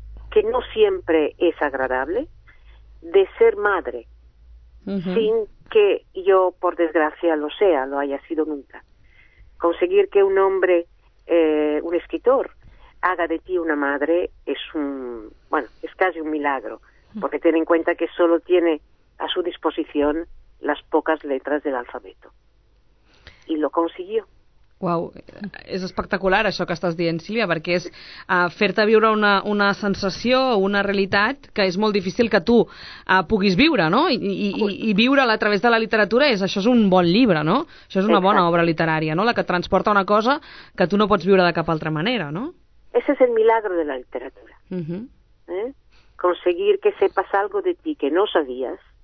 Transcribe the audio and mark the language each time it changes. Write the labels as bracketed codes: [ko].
[es] Que no siempre es agradable, de ser madre, sin que yo, por desgracia, lo haya sido nunca. Conseguir que un hombre, un escritor, haga de ti una madre es un, bueno, es casi un milagro, porque ten en cuenta que solo tiene a su disposición las pocas letras del alfabeto. Y lo consiguió. [ca] Uau, és espectacular això que estàs dient, Sílvia, perquè és fer-te viure una sensació, una realitat que és molt difícil que tu puguis viure, no? I viure-la a través de la literatura, és això és un bon llibre, no? Això és una bona obra literària, no? La que transporta una cosa que tu no pots viure de cap altra manera, no? [es] Ese es el milagro de la literatura. Uh-huh. Conseguir que sepas algo de ti que no sabías.